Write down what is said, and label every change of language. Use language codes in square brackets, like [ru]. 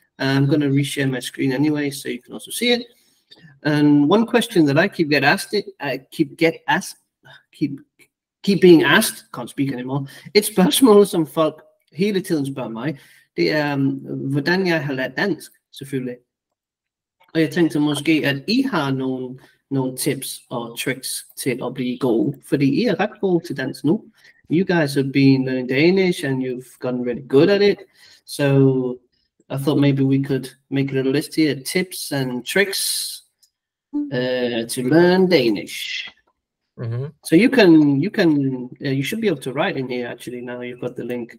[en] I'm going to reshare my screen anyway, so you can also see it. And one question that I keep get asked, I keep being asked, can't speak anymore. [da] It's spørgsmål som folk hele tiden spørger mig. Det er, hvordan jeg har lært dansk, selvfølgelig. Og jeg tænkte måske, at I har nogle tips og tricks til at blive god, fordi I er ret gode til dansk nu. [en] You guys have been learning Danish, and you've gotten really good at it. So I thought maybe we could make a little list here, tips and tricks to learn Danish. Mm-hmm. So you should be able to write in here actually now you've got the link.